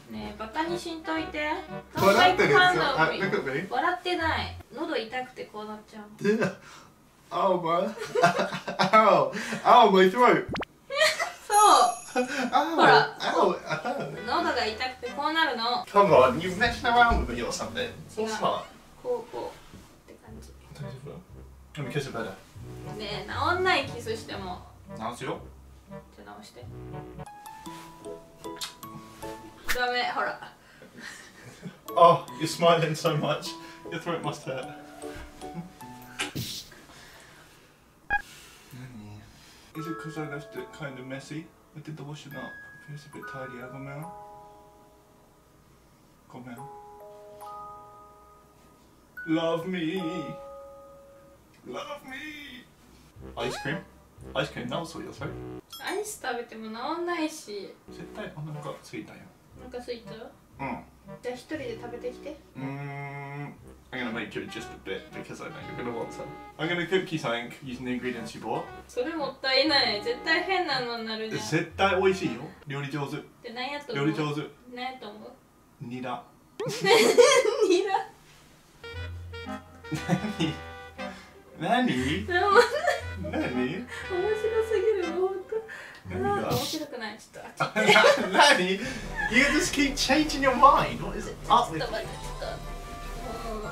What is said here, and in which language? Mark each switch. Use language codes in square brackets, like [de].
[ja] ねえ、バカにしんといて。笑ってるんですよ。 [en] Look at me. [ja] 笑ってない。喉痛くてこうなっちゃう。 [en] Oh my, ow, ow, my throat. [ja] そう。 [en] Ow, [ja] ほら、 [en] ow, [ja] 喉が痛くてこうなるの。 [en] Come on, you're messing around with me or something. So smart. [ja] こうこうって感じ。大丈夫。 [en] Let me kiss it better. [ja] ねえ、治んないキスしても。治すよ。じゃあ治して。ダメ、ほら。 [en] Oh, you're smiling so much. Your throat must hurt. [ja] 何? [en] Is it because I left it kind of messy? I did the washing up. Feels a bit tidy, [ja] ごめん。ごめん。 [en] Love me! Love me! Ice cream? [ja] アイス券直そうよ、それ。アイス食べても直んないし。絶対お腹空いたよ。お腹空いた？うん。じゃあ一人で食べてきて。 [en] I'm gonna make you just a bit because I know you're gonna want some. I'm gonna cook you something using the ingredients you bought. [ja] それもったいない。絶対変なのになるじゃん。絶対美味しいよ。料理上手。で、何やと思う？料理上手。何やと思う？ニラ。ニラ。何？何？何？面白すぎる、本当。何が？面白くない、ちょっと熱い。何？ [en] You just keep changing your mind. What is up with you? [ja] ちょっと待って、ちょっと。